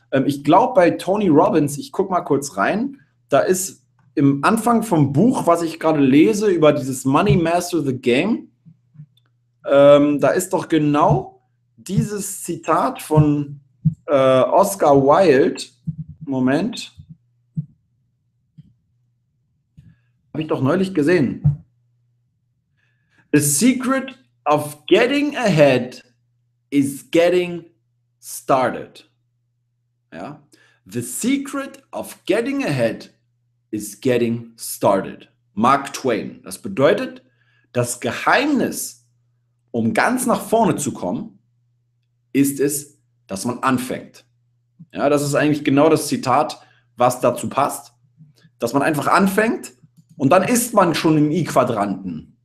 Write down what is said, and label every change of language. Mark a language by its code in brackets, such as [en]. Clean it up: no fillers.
[de] Ich glaube, bei Tony Robbins, ich gucke mal kurz rein, da ist im Anfang vom Buch, was ich gerade lese, über dieses Money Master the Game, da ist doch genau dieses Zitat von Oscar Wilde. Moment. Habe ich doch neulich gesehen. [en] The secret of getting ahead is getting started. Ja? The secret of getting ahead is getting started. [de] Mark Twain. Das bedeutet, das Geheimnis, um ganz nach vorne zu kommen, ist es, dass man anfängt. Ja, das ist eigentlich genau das Zitat, was dazu passt, dass man einfach anfängt und dann ist man schon im I-Quadranten.